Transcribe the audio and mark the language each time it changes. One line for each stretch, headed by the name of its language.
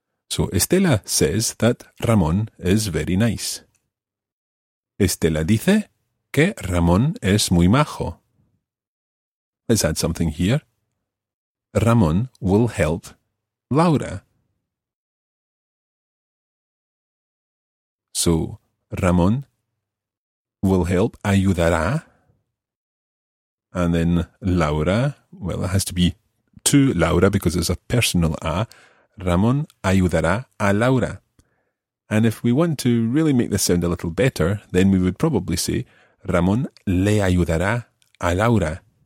English: So Estela says that Ramón is very nice.
Spanish: Estela dice que Ramón es muy majo.
English: Let's add something here. Ramón will help Laura. So, Ramón will help, ayudará. And then Laura, well, it has to be to Laura because it's a personal a.
Spanish: Ramón ayudará a Laura.
English: And if we want to really make this sound a little better, then we would probably say
Spanish: Ramón le ayudará a Laura.